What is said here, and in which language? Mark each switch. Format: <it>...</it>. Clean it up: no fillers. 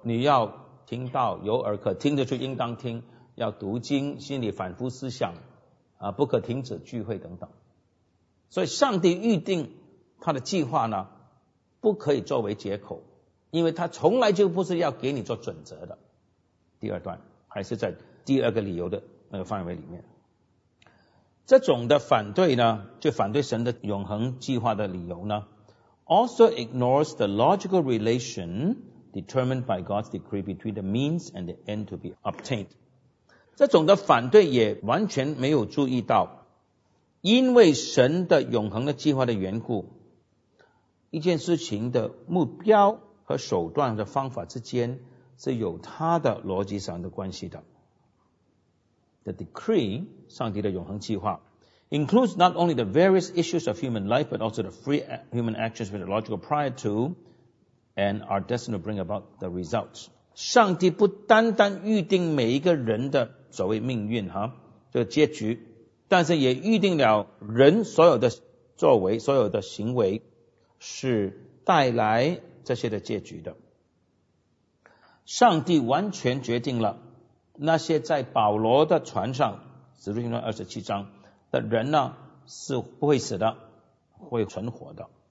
<zh>你要听到有耳可听的就应当听，要读经，心里反复思想不可停止聚会等等。所以上帝预定他的计划呢，不可以作为借口，因为他从来就不是要给你做准则的。第二段还是在第二个理由的那个范围里面。这种的反对呢，就反对神的永恒计划的理由呢，</zh> <en>also ignores the logical relation determined by God's decree between the means and the end to be obtained。</en> <zh>这种的反对也完全没有注意到，因为神的永恒的计划的缘故，一件事情的目标和手段的方法之间是有它的逻辑上的关系的。</zh> <en>The decree,</en> <zh>上帝的永恒计划</zh> <en>includes not only the various issues of human life but also the free human actions which are logical prior to and are destined to bring about the results。</en> <zh>上帝不单单预定每一个人的所谓命运哈，这个结局，但是也预定了人所有的作为，所有的行为是带来这些的结局的。上帝完全决定了那些在保罗的船上，使徒行传27章的人呢，是不会死的，会存活的。</zh>